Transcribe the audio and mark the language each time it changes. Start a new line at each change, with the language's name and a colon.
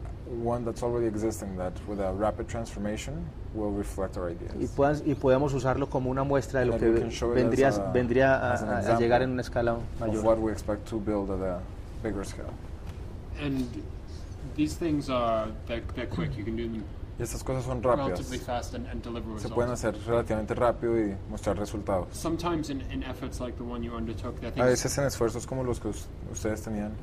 English: one that's already existing that with a rapid transformation will reflect our ideas.
Spanish: Y puedas, y podemos usarlo como una muestra de lo que vendría, vendría a llegar en una escala mayor.
English: Of what we expect to build at a bigger scale. And these things are they're quick. You can do them.
Spanish: Y estas cosas son rápidas.
English: Relatively fast and deliver results.
Spanish: Se pueden hacer relativamente rápido y mostrar resultados.
English: Sometimes in efforts like the one you undertook,
Spanish: a veces en esfuerzos como los que ustedes tenían.